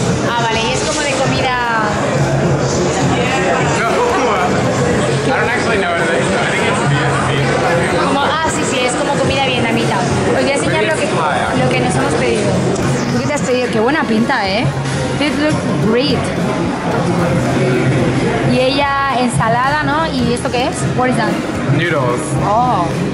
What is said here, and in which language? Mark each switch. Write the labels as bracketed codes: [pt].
[es] Ah, vale, y es como de comida. [en] No, I don't actually know what it is. I think it's Vietnamese. [es] Como, sí, es como comida vietnamita. Os voy a enseñar lo que nos hemos pedido. ¿Tú qué te has pedido? Qué buena pinta, ¿eh? [en] It looks great. [es] Y ella ensalada, ¿no? ¿Y esto qué es? [en] What is that? Noodles. Oh.